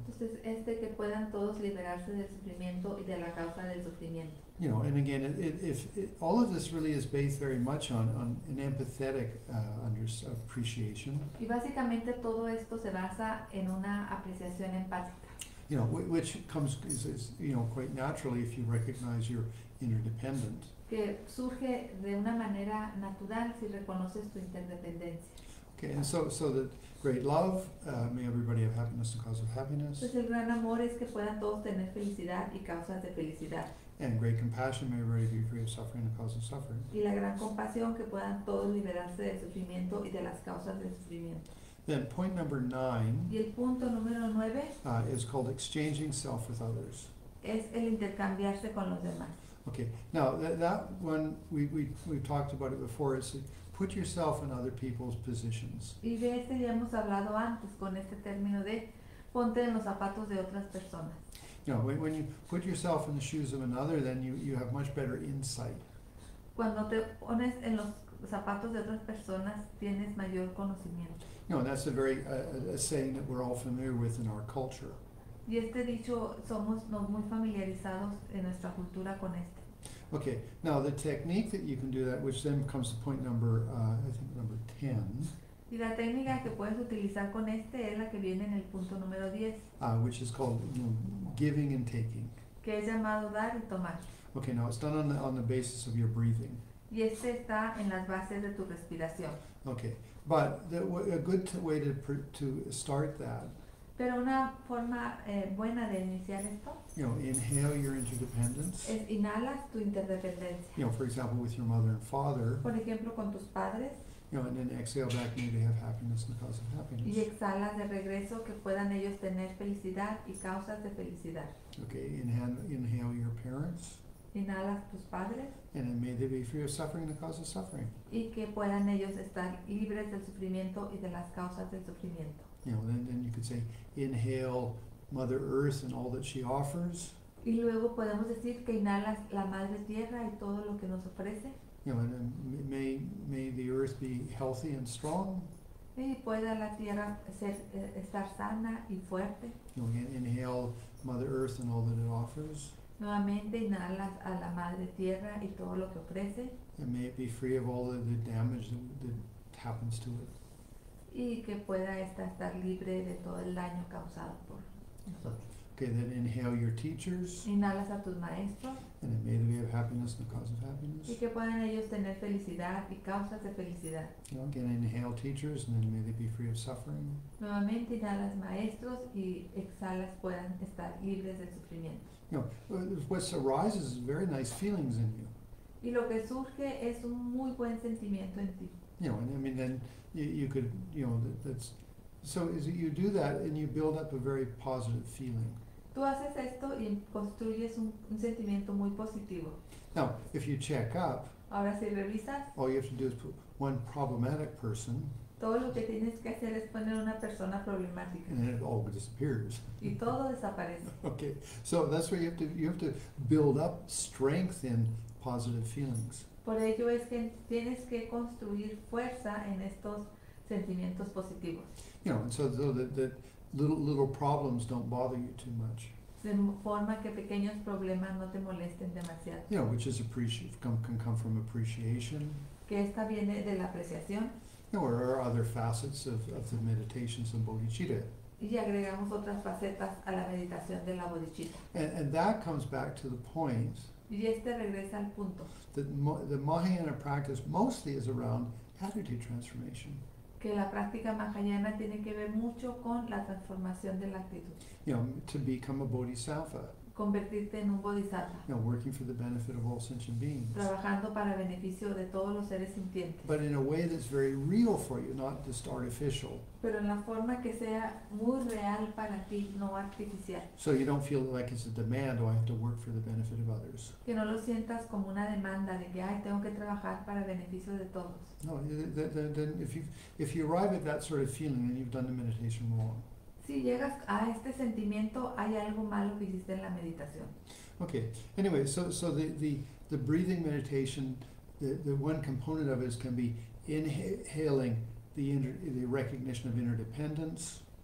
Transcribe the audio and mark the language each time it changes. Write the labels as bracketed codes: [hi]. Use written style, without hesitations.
[es] Entonces, este que puedan todos liberarse del sufrimiento y de la causa del sufrimiento. [en] You know, and again, all of this really is based very much on an empathetic appreciation. [es] Y básicamente todo esto se basa en una apreciación empática. [en] You know, which comes is you know quite naturally if you recognize you're interdependent. [es] que surge de una manera natural si reconoces tu interdependencia. [en] Okay, and so that great love, may everybody have happiness and cause of happiness. [es] Pues el gran amor es que puedan todos tener felicidad y causas de felicidad. [en] And great compassion, may everybody be free of suffering and the cause of suffering. [es] Y la gran compasión que puedan todos liberarse del sufrimiento y de las causas del sufrimiento. [en] Then point number nine, [es] Y el punto número 9 [en] is called exchanging self with others. [es] es el intercambiarse con los demás. [en] Okay, now that one we talked about it before. Is put yourself in other people's positions. [es] Y de este ya hemos hablado antes con este término de ponte en los zapatos de otras personas. [en] You know, when you put yourself in the shoes of another, then you have much better insight. [es] Cuando te pones en los zapatos de otras personas tienes mayor conocimiento. [en] You know, that's a very a saying that we're all familiar with in our culture. [es] Y este dicho somos muy familiarizados en nuestra cultura con este. [en] Okay, now the technique that you can do that, which then comes to point number, I think number 10. [es] Y la técnica que puedes utilizar con este es la que viene en el punto número 10. [en] Which is called, you know, giving and taking. [es] Que es llamado dar y tomar. [en] Okay, now it's done on the basis of your breathing. [es] Y este está en las bases de tu respiración. [en] Okay, but a good way to start that. [es] Pero una forma buena de iniciar esto. [en] You know, inhale your interdependence. [es] Es inhalas tu interdependencia. [en] You know, for example, with your mother and father. [es] Por ejemplo, con tus padres. [en] You know, and then exhale back, may they have happiness and cause of happiness. [es] Y exhalas de regreso que puedan ellos tener felicidad y causas de felicidad. [en] Okay, inhale your parents. [es] Inhalas tus padres. [en] And then may they be free of suffering and the cause of suffering. [es] Y que puedan ellos estar libres del sufrimiento y de las causas del sufrimiento. [en] You know, then you could say, inhale Mother Earth and all that she offers. [es] Y luego podemos decir que inhalas la Madre Tierra y todo lo que nos ofrece. [en] You know, and may the earth be healthy and strong. [es] Y pueda la tierra ser, estar sana y fuerte. [en] You know, inhale Mother Earth and all that it offers. [es] Nuevamente inhalas a la Madre Tierra y todo lo que ofrece. [en] And may it be free of all the damage that happens to it. [es] Y que pueda estar libre de todo el daño causado por nosotros. [en] Okay, then inhale your teachers. [es] Inhalas a tus maestros. [en] And then may they have happiness and the cause of happiness. [es] Y que puedan ellos tener felicidad y causas de felicidad. [en] You know, again, inhale teachers and then may they be free of suffering. [es] Nuevamente inhalas maestros y exhalas puedan estar libres del sufrimiento. [en] You know, what arises is very nice feelings in you. [es] Y lo que surge es un muy buen sentimiento en ti. [en] You know, and I mean, then you could, you know, that's, so is it you do that and you build up a very positive feeling. [es] Tú haces esto y construyes un sentimiento muy positivo. [en] Now, if you check up, [es] ahora si revisas, [en] all you have to do is put one problematic person. [es] Todo lo que tienes que hacer es poner una persona problemática. [en] And then it all disappears. [es] Y todo desaparece. [en] Okay, so that's where you have to build up strength in positive feelings. [es] Por ello es que tienes que construir fuerza en estos sentimientos positivos. [en] You know, and so the little problems don't bother you too much. [es] De forma que pequeños problemas no te molesten demasiado. [en] You know, which is can come from appreciation. [es] Que esta viene de la apreciación. [en] You know, or other facets of the meditations of Bodhicitta. [es] Y agregamos otras facetas a la meditación de la Bodhicitta. [en] And that comes back to the point. [es] Y este regresa al punto. [en] The Mahayana practice mostly is around attitude transformation. [es] Que la práctica Mahayana tiene que ver mucho con la transformación de la actitud. [en] You know, to become a bodhisattva. [es] Convertirte en un bodhisattva. [en] You know, working for the benefit of all sentient beings. [es] Trabajando para beneficio de todos los seres sintientes. [en] But in a way that's very real for you, not just artificial. [es] Pero en la forma que sea muy real para ti, no artificial. [en] So you don't feel like it's a demand, or I have to work for the benefit of others. [es] Que no lo sientas como una demanda de que, ay, tengo que trabajar para beneficio de todos. [en] No, then if you arrive at that sort of feeling, then you've done the meditation wrong. [es] Si llegas a este sentimiento, hay algo malo que hiciste en la meditación. [en] Okay. Anyway, so the breathing meditation, the one component of it is can be inhaling the recognition of interdependence.